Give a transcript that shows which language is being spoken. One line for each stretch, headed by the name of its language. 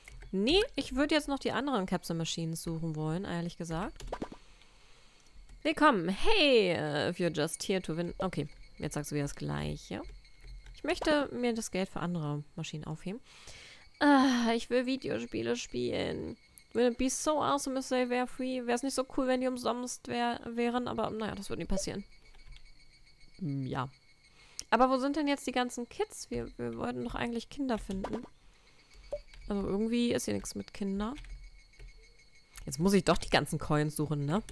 German: Nee, ich würde jetzt noch die anderen Capsule-Maschinen suchen wollen, ehrlich gesagt. Willkommen.
English: Hey, if you're just here to win...
German: Okay, jetzt sagst du wieder das Gleiche. Ich möchte mir das Geld für andere Maschinen aufheben. Ich will Videospiele spielen.
English: Would it be so awesome if they were free?
German: Wäre es nicht so cool, wenn die umsonst wären, aber naja, das würde nie passieren. Ja. Aber wo sind denn jetzt die ganzen Kids? Wir wollten doch eigentlich Kinder finden. Also irgendwie ist hier nichts mit Kinder. Jetzt muss ich doch die ganzen Coins suchen, ne?